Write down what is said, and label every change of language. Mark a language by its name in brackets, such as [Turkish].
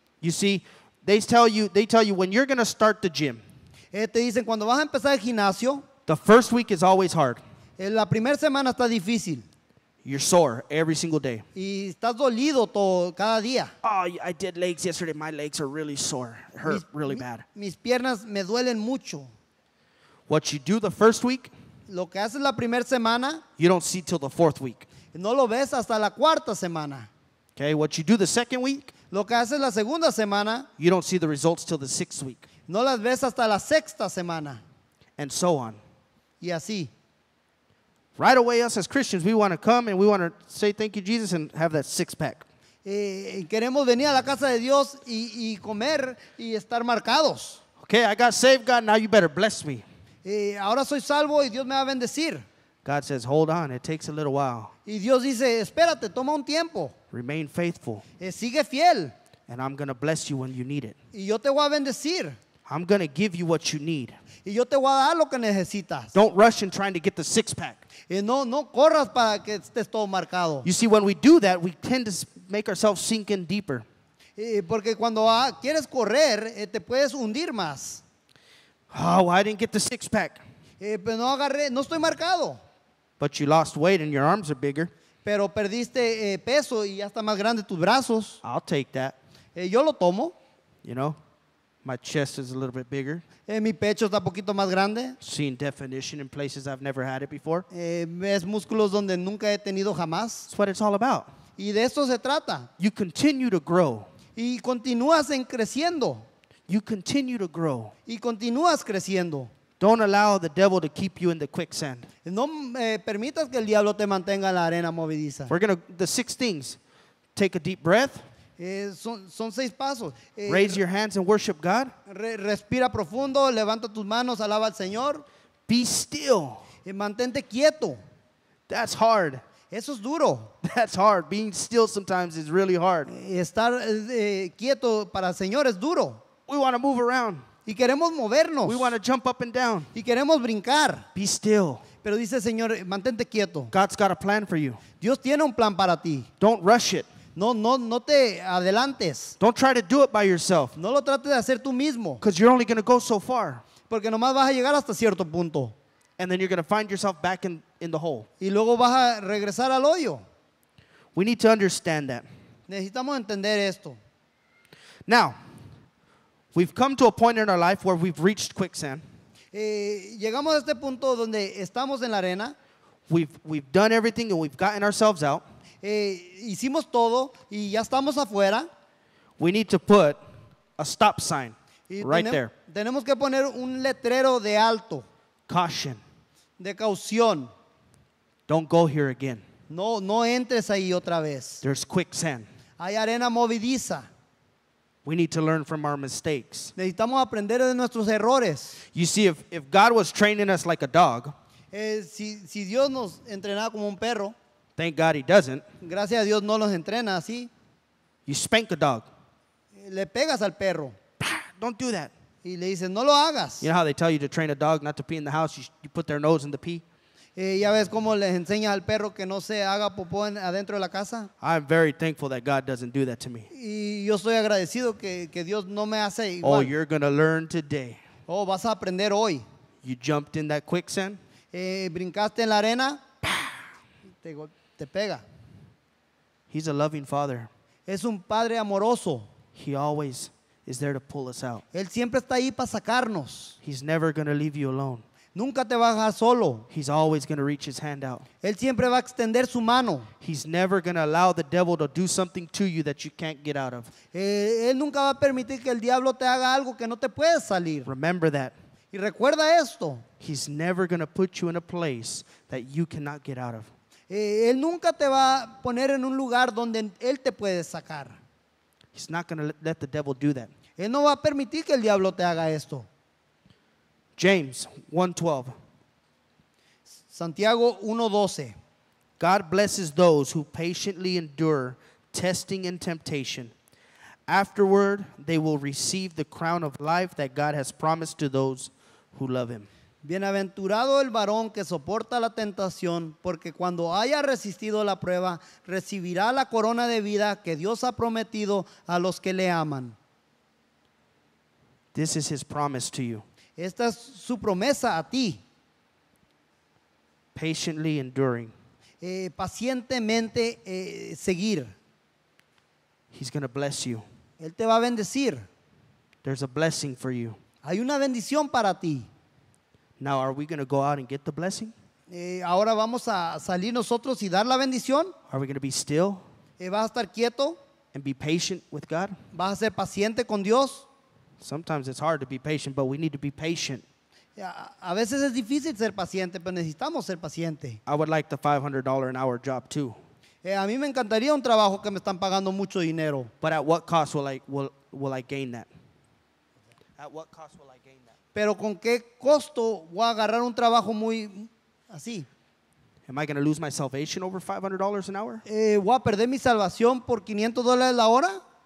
[English] You see, they tell you when you're going to start the gym. [Spanish] Te dicen, cuando vas a empezar el gimnasio. [English] The first week is always hard. [Spanish] La primera semana está difícil. [English] You're sore every single day. [Spanish] Y estás dolido todo cada día. [English] Oh, I did legs yesterday. My legs are really sore. It hurt really bad. [Spanish] Mis piernas me duelen mucho. [English] What you do the first week? [Spanish] Lo que haces la primera semana? [English] You don't see till the fourth week. [Spanish] No lo ves hasta la cuarta semana. [English] Okay, what you do the second week? [Spanish] Lo que haces la segunda semana? [English] You don't see the results till the sixth week. [Spanish] No las ves hasta la sexta semana. [English] And so on. [Spanish] Y así. [English] Right away, us as Christians, we want to come and we want to say thank you, Jesus, and have that six pack. [Spanish] Queremos venir a la casa de Dios y comer y estar marcados. [English] Okay, I got saved, God. Now you better bless me. [Spanish] Ahora soy salvo y Dios me va a bendecir. [English] God says, hold on. It takes a little while. [Spanish] Y Dios dice, espérate, toma un tiempo. [English] Remain faithful. [Spanish] Sigue fiel. [English] And I'm going to bless you when you need it. [Spanish] Y yo te voy a bendecir. [English] I'm going to give you what you need. [Spanish] Y yo te voy a dar lo que necesitas. [English] Don't rush in trying to get the six pack. [Spanish] No corras para que estés todo marcado. [English] You see, when we do that, we tend to make ourselves sink in deeper. [Spanish] Porque cuando quieres correr, te puedes hundir más. [English] Oh, well, I didn't get the six pack. [Spanish] Pero no agarré, no estoy marcado. [English] But you lost weight and your arms are bigger. [Spanish] Pero perdiste peso y ya está más grande tus brazos. [English] I'll take that. [Spanish] Yo lo tomo. [English] You know, my chest is a little bit bigger. [Spanish] Mi pecho está poquito más grande. [English] Seeing definition in places I've never had it before. [Spanish] Ves músculos donde nunca he tenido jamás. [English] That's what it's all about. [Spanish] Y de eso se trata. [English] You continue to grow. [Spanish] Y continúas en creciendo. [English] You continue to grow. [Spanish] Y continúas creciendo. [English] Don't allow the devil to keep you in the quicksand. [Spanish] No permitas que el diablo te mantenga en la arena movidiza. [English] We're going to, the six things. Take a deep breath. [Spanish] Son seis pasos. [English] Raise your hands and worship God. [Spanish] Respira profundo, levanta tus manos, alaba al Señor. [English] Be still. [Spanish] Mantente quieto. [English] That's hard. [Spanish] Eso es duro. [English] That's hard. Being still sometimes is really hard. [Spanish] Estar quieto para el Señor es duro. [English] We want to move around. [Spanish] Y queremos movernos. [English] We want to jump up and down. [Spanish] Y queremos brincar. [English] Be still. [Spanish] Pero dice el Señor, mantente quieto. [English] God's got a plan for you. [Spanish] Dios tiene un plan para ti. [English] Don't rush it. [Spanish] No te adelantes. [English] Don't try to do it by yourself. [Spanish] No lo trates de hacer tú mismo. [English] Because you're only going to go so far. [Spanish] Porque nomás vas a llegar hasta cierto punto. [English] And then you're going to find yourself back in the hole. [Spanish] Y luego vas a regresar al hoyo. [English] We need to understand that. [Spanish] Necesitamos entender esto. [English] Now, We've come to a point in our life where we've reached quicksand. [Spanish] Llegamos a este punto donde estamos en la arena. [English] We've done everything and we've gotten ourselves out. [Spanish] Hicimos todo y ya estamos afuera. [English] We need to put a stop sign right there. [Spanish] Tenemos que poner un letrero de alto. [English] Caution. [Spanish] De caución. [English] Don't go here again. [Spanish] No entres ahí otra vez. [English] There's quicksand. [Spanish] Hay arena movidiza. [English] We need to learn from our mistakes. [Spanish] Necesitamos aprender de nuestros errores. [English] You see, if God was training us like a dog, [Spanish] si Dios nos entrenaba como un perro, [English] thank God he doesn't. [Spanish] Gracias a Dios no los entrena así. [English] You spank a dog. [Spanish] Le pegas al perro. [English] Don't do that. [Spanish] Y le dices, no lo hagas. [English] You know how they tell you to train a dog not to pee in the house? You put their nose in the pee. [Spanish] ¿Ya ves cómo les enseña al perro que no se haga popó adentro de la casa? [English] I'm very thankful that God doesn't do that to me. [Spanish] Y yo estoy agradecido que Dios no me hace igual. [English] Oh, you're going to learn today. [Spanish] Oh, vas a aprender hoy. [English] You jumped in that quicksand. [Spanish] Brincaste en la arena. Te pega. [English] He's a loving father. [Spanish] Es un padre amoroso. [English] He always is there to pull us out. [Spanish] Él siempre está ahí para sacarnos. [English] He's never going to leave you alone. [Spanish] Nunca te va a dejar solo. [English] He's always going to reach his hand out. [Spanish] Él siempre va a extender su mano. [English] He's never going to allow the devil to do something to you that you can't get out of. [Spanish] Él nunca va a permitir que el diablo te haga algo que no te puede salir. [English] Remember that. [Spanish] Y recuerda esto. [English] He's never going to put you in a place that you cannot get out of. [Spanish] Él nunca te va a poner en un lugar donde él te puede sacar. [English] He's not going to let the devil do that. [Spanish] Él no va a permitir que el diablo te haga esto. [English] James 1:12. [Spanish] Santiago 1:12. [English] God blesses those who patiently endure testing and temptation. Afterward, they will receive the crown of life that God has promised to those who love him. [Spanish] Bienaventurado el varón que soporta la tentación, porque cuando haya resistido la prueba, recibirá la corona de vida que Dios ha prometido a los que le aman. [English] This is his promise to you. [Spanish] Esta es su promesa a ti. [English] Patiently enduring. [Spanish] Pacientemente seguir. [English] He's going to bless you. [Spanish] Él te va a bendecir. [English] There's a blessing for you. [Spanish] Hay una bendición para ti. [English] Now, are we going to go out and get the blessing? [Spanish] Ahora vamos a salir nosotros y dar la bendición. [English] Are we going to be still? [Spanish] ¿Vas a estar quieto? [English] And be patient with God? [Spanish] ¿Vas a ser paciente con Dios? [English] Sometimes it's hard to be patient, but we need to be patient. [Spanish] Yeah, a veces es difícil ser paciente, pero necesitamos ser paciente. [English] I would like the $500 an hour job too. [Spanish] A mí me encantaría un trabajo que me están pagando mucho dinero. [English] But at what cost will I gain that? At what cost will I gain that? [Spanish] Pero con qué costo voy a agarrar un trabajo muy así. [English] Am I going to lose my salvation over $500 an hour? [Spanish] Voy a perder mi salvación por $500 la hora.